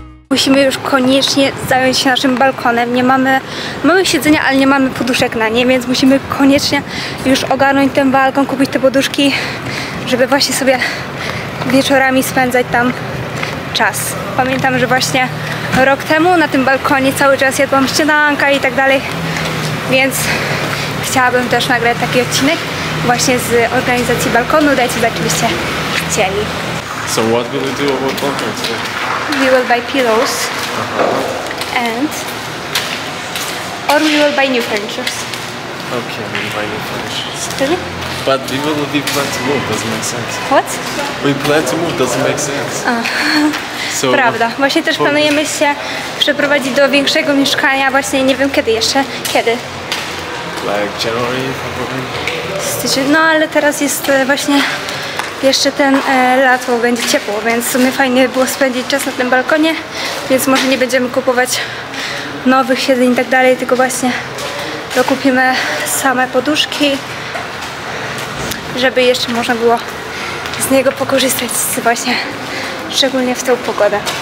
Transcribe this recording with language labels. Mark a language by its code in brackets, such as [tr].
[pl] Musimy już koniecznie zająć się naszym balkonem. Nie mamy małych siedzenia, ale nie mamy poduszek na nie, więc musimy koniecznie już ogarnąć ten balkon, kupić te poduszki, żeby właśnie sobie wieczorami spędzać tam czas. Pamiętam, że właśnie rok temu na tym balkonie cały czas jadłam śniadanka i tak dalej, więc chciałabym też nagrać taki odcinek właśnie z organizacji balkonu. Dajcie znać, czy byście chcieli. [en] So what will we do about balkon today? We will buy pillows and or we will buy new furnitures. Okay, we buy new furnitures. Really? But we will be plan to move, doesn't make sense. What? We plan to move, doesn't make sense. [pl] So prawda. Właśnie też planujemy się przeprowadzić do większego mieszkania, właśnie nie wiem kiedy jeszcze. Kiedy? [en] Like January, probably. [pl] Styczeń. No ale teraz jest właśnie jeszcze ten lato, będzie ciepło, więc w sumie fajnie było spędzić czas na tym balkonie, więc może nie będziemy kupować nowych siedzeń i tak dalej, tylko właśnie dokupimy same poduszki, żeby jeszcze można było z niego pokorzystać właśnie, szczególnie w tę pogodę.